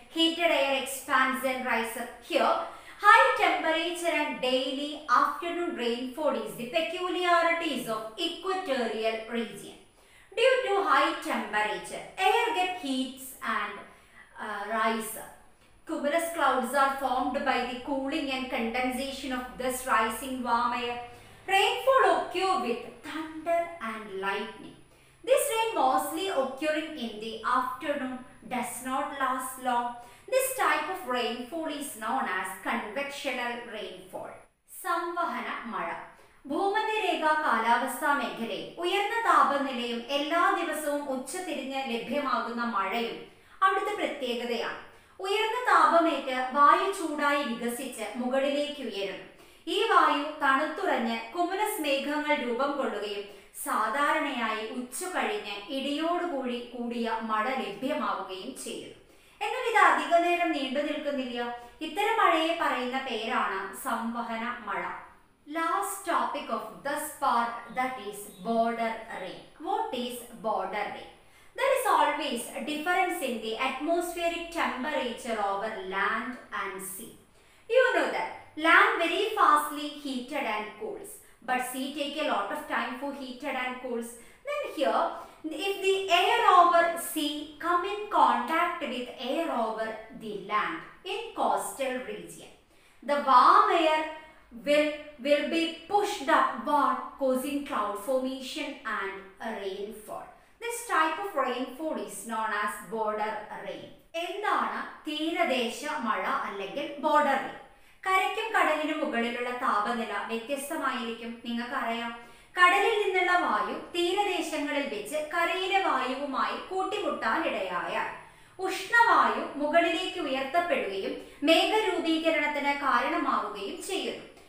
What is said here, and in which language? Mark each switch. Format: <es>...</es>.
<en>Heated air expands and rise up. Here high temperature and daily afternoon rainfall is the peculiarities of equatorial region. Due to high temperature air get heats and rise up. Cumulus clouds are formed by the cooling and condensation of this rising warm air. Rainfall occurs with thunder and lightning. This rain mostly occurring in the afternoon does not last long. This type of rainfall is known as convectional rainfall.</en> <ml>Samvahana mala. ഭൂമധ്യരേഖ കാലാവസ്ഥാ മേഖലയിൽ ഉയർന്ന താപനിലയും എല്ലാ ദിവസവും ഉച്ചതിരിഞ്ഞ് ലഭ്യമാകുന്ന മഴയും അവിടുത്തെ പ്രത്യേകതയാണ്. ഉയർന്ന താപമേറ്റ് വായു ചൂടായി വികസിച്ച് മുകളിലേക്ക് ഉയരുന്നു. ഈ വായു തണുത്തുറഞ്ഞ് കുമുലസ് മേഘങ്ങൾ രൂപം കൊള്ളുകയും സാധാരണയായി ഉച്ചുകഴിഞ്ഞ് ഇടിയോടുകൂടി കൂടിയ മഴ ലഭ്യമാവുകയും ചെയ്യുന്നു. എന്നാൽ ഇത് അധിക നേരം നീണ്ടു നിൽക്കുന്നില്ല. ഇത്തരം മഴയെ പറയുന്ന പേരാണ് സംവഹന മഴ.</ml> <en>Last topic of this part that is border rain. What is border rain? There is always a difference in the atmospheric temperature over land and sea. You know that land very fastly heated and cools, but sea take a lot of time for heated and cools. Then here, if the air over sea come in contact with air over the land in coastal region, the warm air will be pushed upward, causing cloud formation and rainfall. This type of rainfall is known as border rain.</en> <ml>എന്താണ് തീരദേശ മഴ അല്ലെങ്കിൽ border rain? കരയ്ക്കും കടലിനും മുകളിലുള്ള താപനില വ്യത്യസ്തമായിരിക്കും. നിങ്ങൾക്കറിയാം കടലിൽ നിന്നുള്ള വായു തീരദേശങ്ങളിൽ വെച്ച് കരയിലെ വായുവുമായി കൂട്ടിമുട്ടാനിടയായാൽ ഉഷ്ണവായു മുകളിലേക്ക് ഉയർത്തപ്പെടുകയും മേഘരൂപീകരണത്തിന് കാരണമാവുകയും ചെയ്യുന്നു.</ml>